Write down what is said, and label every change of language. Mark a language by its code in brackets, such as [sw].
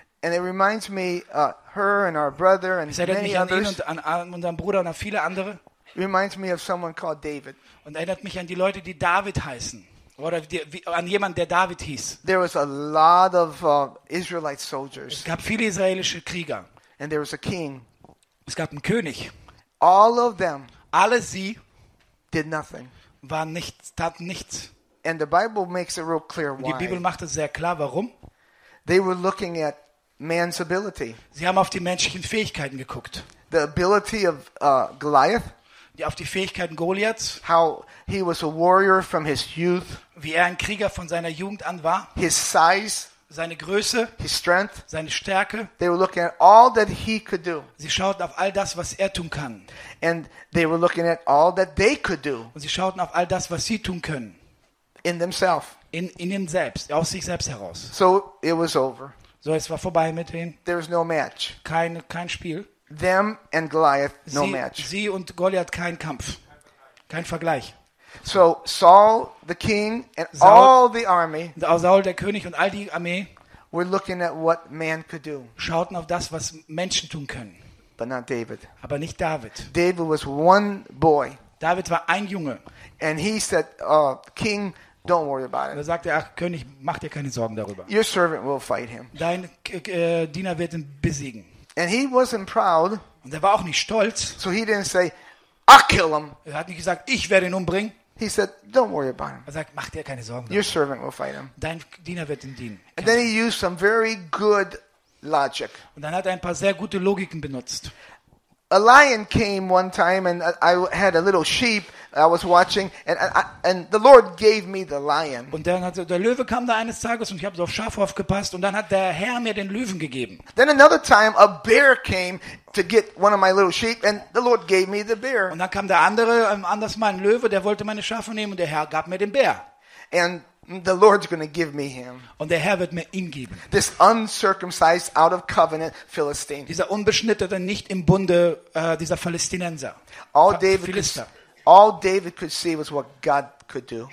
[en] And it reminds me her and our brother and many others. [de] Es erinnert mich an ihn und an unseren Bruder und an viele andere. [en] Reminds me of someone called David. [de] Und erinnert mich an die Leute, die David heißen. Oder die, wie, an jemand, der David hieß. [en] There was a lot of Israelite soldiers. [de] Es gab viele israelische Krieger. [en] And there was a king. [de] Es gab einen König. [en] All of them. [de] Alle sie [en] did nothing. [de] Waren nichts, taten nichts. [en] And the Bible makes it real clear why. [de] Die Bibel macht es sehr klar, warum. [en] They were looking at man's ability. [de] Sie haben auf die menschlichen Fähigkeiten geguckt. [en] The ability of Goliath. [de] Die auf die Fähigkeiten Goliaths. [en] How he was a warrior from his youth. [de] Wie er ein Krieger von seiner Jugend an war. [en] His size. [de] Seine Größe. [en] His strength. [de] Seine Stärke. [en] They were looking at all that he could do. [de] Sie schauten auf all das, was er tun kann. [en] And they were looking at all that they could do. [de] Und sie schauten auf all das, was sie tun können. [en] In themselves. [de] In ihnen selbst, aus sich selbst heraus. [en] So it was over. [de] So es war vorbei mit ihnen. [en] There was no match. [de] Kein Spiel. [en] Them and Goliath, no match. [de] Sie und Goliath, kein Kampf, kein Vergleich. [en] So Saul, the king, and Saul, all the army. [de] Saul, der König und all die Armee. [en] We're looking at what man could do. [de] Schauten auf das, was Menschen tun können. [en] But not David. [de] Aber nicht David. [en] David was one boy. [de] David war ein Junge. [en] And he said, oh, King, don't worry about it. [de] Da sagte er, ach, König, mach dir keine Sorgen darüber. [en] Your servant will fight him. [de] Dein Diener wird ihn besiegen. [en] And he wasn't proud. [de] Und er war auch nicht stolz. [en] So he didn't say, I'll kill him. [de] Er hat nicht gesagt, ich werde ihn umbringen. [en] He said, don't worry about him. [de] Er sagt, mach dir keine Sorgen. [en] Your servant will fight him. [de] Dein Diener wird ihn dienen. [en] And then he used some very good logic. [de] Und dann hat er ein paar sehr gute Logiken benutzt. [en] A lion came one time and I had a little sheep I was watching and the Lord gave me the lion. [de] Und dann hat der Löwe kam da eines Tages und ich habe so auf Schafe aufgepasst und dann hat der Herr mir den Löwen gegeben. [en] Then another time a bear came to get one of my little sheep and the Lord gave me the bear. [de] Und dann kam der andere anders mal ein Löwe, der wollte meine Schafe nehmen und der Herr gab mir den Bär. [en] And the Lord's going to give me him. [de] Und der Herr wird mir ihn geben. [en] This uncircumcised, out of covenant Philistine. [de] Dieser unbeschnittene, nicht im Bunde, dieser Philistinenser. [en] All David could see was what God could do.